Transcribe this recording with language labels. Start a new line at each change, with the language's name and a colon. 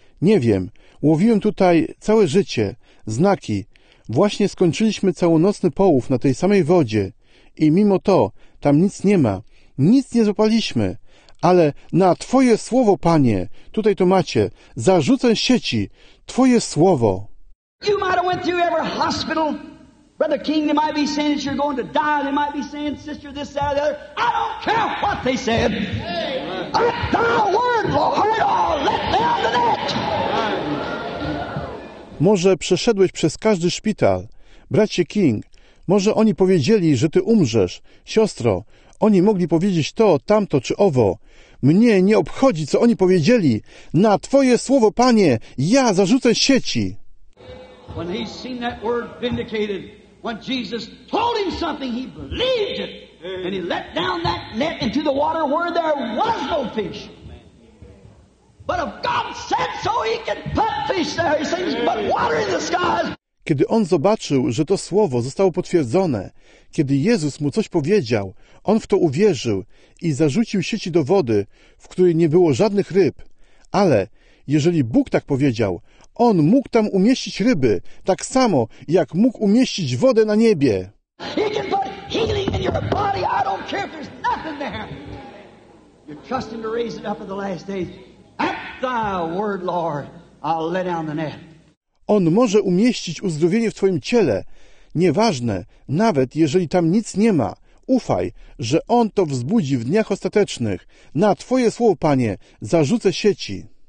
Polish: Nie wiem, łowiłem tutaj całe życie, znaki. Właśnie skończyliśmy całonocny połów na tej samej wodzie i mimo to tam nic nie ma, nic nie złapaliśmy. Ale na Twoje słowo, Panie, tutaj to macie, zarzucę sieci, Twoje słowo.
English: You might have went through every hospital. Brother King, they might be saying that you're going to die. They might be saying, sister, this, that, or the other. I don't care what they said. At thy word, Lord, I'll let down the net.
Polish: Może przeszedłeś przez każdy szpital. Bracie King, może oni powiedzieli, że ty umrzesz. Siostro, oni mogli powiedzieć to, tamto czy owo. Mnie nie obchodzi, co oni powiedzieli. Na Twoje słowo, Panie, ja zarzucę sieci.
English: When he seen that word vindicated, when Jesus told him something, he believed it. And he let down that net into the water where there was no fish. But if God said so, he can put fish there. He says, but water in the skies.
Polish: Kiedy on zobaczył, że to słowo zostało potwierdzone, kiedy Jezus mu coś powiedział, on w to uwierzył i zarzucił sieci do wody, w której nie było żadnych ryb. Ale jeżeli Bóg tak powiedział, on mógł tam umieścić ryby, tak samo jak mógł umieścić wodę na niebie.
English: He can put healing in your body. I don't care if there's nothing there. You trust him to raise it up in the last days. At thy word, Lord, I'll let down the net.
Polish: On może umieścić uzdrowienie w Twoim ciele. Nieważne, nawet jeżeli tam nic nie ma. Ufaj, że On to wzbudzi w dniach ostatecznych. Na Twoje słowo, Panie, zarzucę sieci.